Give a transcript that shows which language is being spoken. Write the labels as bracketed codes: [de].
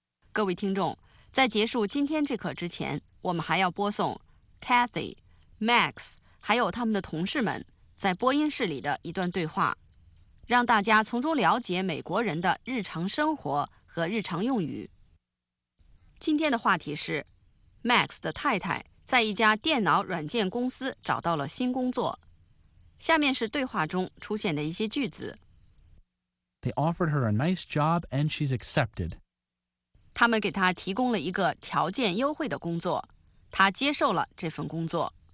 [zh] 各位听众，在结束今天这课之前，我们还要播送 Cathy, Max, 还有他们的同事们在播音室里的一段对话，让大家从中了解美国人的日常生活和和日常用语。今天的话题是 Max 的太太在一家电脑软件公司找到了新工作。下面是对话中出现的一些句子。 [en] They offered her a nice job and she's accepted. [zh] 他们给她提供了一个条件优惠的工作，她接受了这份工作。